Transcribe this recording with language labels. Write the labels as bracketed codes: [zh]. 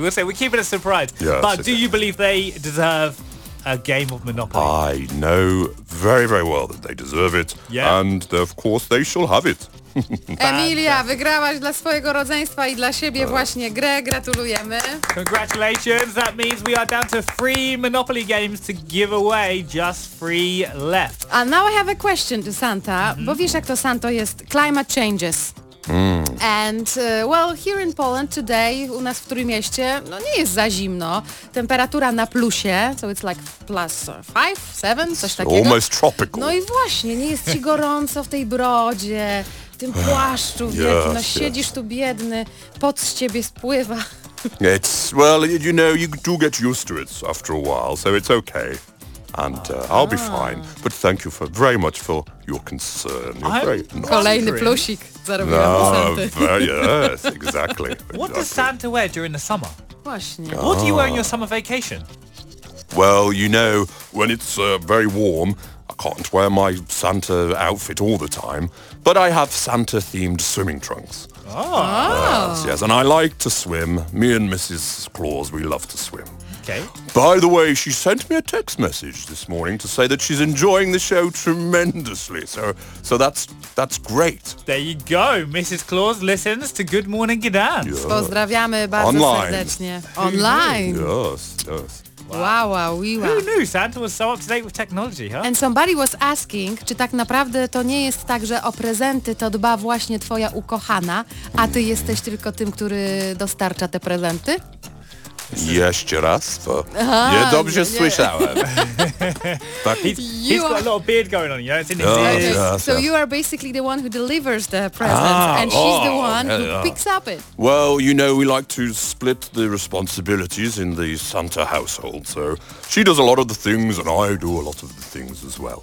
[en] We're keeping it a surprise. Yes, but do you believe they deserve a game of Monopoly? I know very, very well that they deserve it. Yeah. And of course they shall have it. [pl] Emilia, wygrałaś dla swojego rodzeństwa i dla siebie właśnie grę. Gratulujemy. [en] Congratulations. That means we are down to 3 Monopoly games to give away. Just 3 left. And now I have a question to Santa. [pl] Mm-hmm. Bo wiesz jak to Santo jest? [en] Climate changes. And, well, here in Poland today, [pl] u nas w Trójmieście, no nie jest za zimno. Temperatura na plusie, [en] so it's like [pl] plus 5, 7, coś takiego. [en] Almost tropical. [pl] No i właśnie, nie jest ci gorąco w tej brodzie, w tym płaszczu wielkim, [en] yes, [pl] no siedzisz [en] yes. [pl] tu biedny, pot z ciebie spływa. [en] It's, well, you know, you do get used to it after a while, so it's okay. And I'll be fine, but thank you for very much for your concern. Nice. [pl] Kolejny plusik zarobiłem no, Santa. [en] Yes, exactly. What does Santa wear during the summer? [pl] Właśnie. [en] What do you wear on your summer vacation? Well, you know, when it's very warm, I can't wear my Santa outfit all the time, but I have Santa-themed swimming trunks. Yes, and I like to swim. Me and Mrs. Claus, we love to swim. Okay. By the way, she sent me a text message this morning to say that she's enjoying the show tremendously. So that's great. There you go. Mrs. Claus listens to Good Morning Gdańsk. Yes. [pl] Pozdrawiamy bardzo [en] Online. [pl] Serdecznie. Online. [en] Yes. Wow. Who knew Santa was so up to date with technology, huh? And somebody was asking, [pl] czy tak naprawdę to nie jest tak, że o prezenty to dba właśnie twoja ukochana, a ty jesteś tylko tym, który dostarcza te prezenty? Jeszcze raz, bo nie dobrze słyszałem. [en] He's got a lot of beard going on, you know, it's in his ears. So you are basically the one who delivers the presents, and she's the one who picks up it. Well, you know, we like to split the responsibilities in the Santa household, so she does a lot of the things and I do a lot of the things as well.